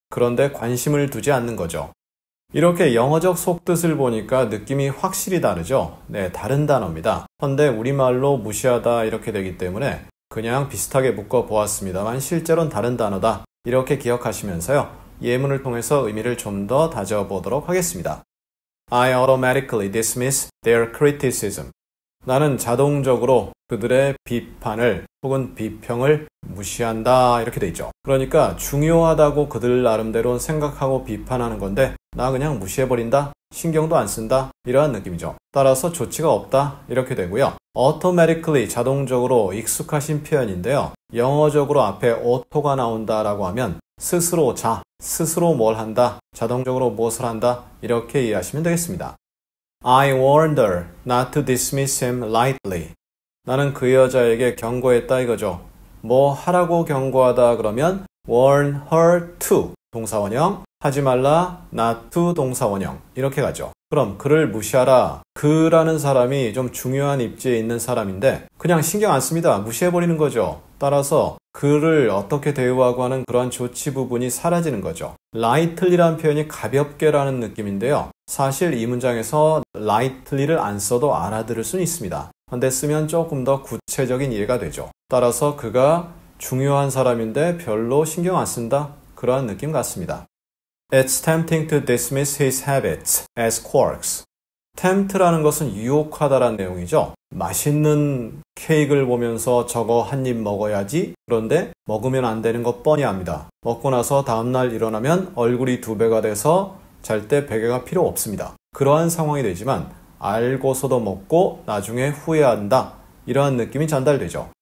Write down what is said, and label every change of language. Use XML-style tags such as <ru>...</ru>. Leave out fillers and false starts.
<ko>그런데 관심을 두지 않는 거죠. 이렇게 영어적 속뜻을 보니까 느낌이 확실히 다르죠? 네, 다른 단어입니다. 헌데 우리말로 무시하다 이렇게 되기 때문에 그냥 비슷하게 묶어보았습니다만 실제로는 다른 단어다 이렇게 기억하시면서요. 예문을 통해서 의미를 좀 더 다져보도록 하겠습니다.</ko> <en>I automatically dismiss their criticism.</en> <ko>나는 자동적으로 그들의 비판을 혹은 비평을 무시한다 이렇게 돼 있죠. 그러니까 중요하다고 그들 나름대로 생각하고 비판하는 건데 나 그냥 무시해버린다, 신경도 안 쓴다 이러한 느낌이죠. 따라서 조치가 없다 이렇게 되고요. automatically 자동적으로 익숙하신 표현인데요. 영어적으로 앞에 auto가 나온다라고 하면 스스로 자, 스스로 뭘 한다, 자동적으로 무엇을 한다 이렇게 이해하시면 되겠습니다.</ko> <en>I warned her not to dismiss him lightly.</en> <ko>나는 그 여자에게 경고했다 이거죠. 뭐 하라고 경고하다 그러면 warn her to 동사원형, 하지 말라 not to 동사원형 이렇게 가죠. 그럼 그를 무시하라, 그라는 사람이 좀 중요한 입지에 있는 사람인데 그냥 신경 안 씁니다. 무시해버리는 거죠. 따라서 그를 어떻게 대우하고 하는 그러한 조치 부분이 사라지는 거죠. lightly라는 표현이 가볍게라는 느낌인데요. 사실 이 문장에서 lightly를 안 써도 알아들을 수는 있습니다. 근데 쓰면 조금 더 구체적인 이해가 되죠. 따라서 그가 중요한 사람인데 별로 신경 안 쓴다, 그러한 느낌 같습니다.</ko> <en>It's tempting to dismiss his habits as quirks.</en> <ko>Tempt라는 것은 유혹하다라는 내용이죠. 맛있는 케이크를 보면서 저거 한 입 먹어야지, 그런데 먹으면 안 되는 것 뻔히 압니다. 먹고 나서 다음날 일어나면 얼굴이 두 배가 돼서 잘 때 베개가 필요 없습니다. 그러한 상황이 되지만 알고서도 먹고 나중에 후회한다, 이러한 느낌이 전달되죠.</ko>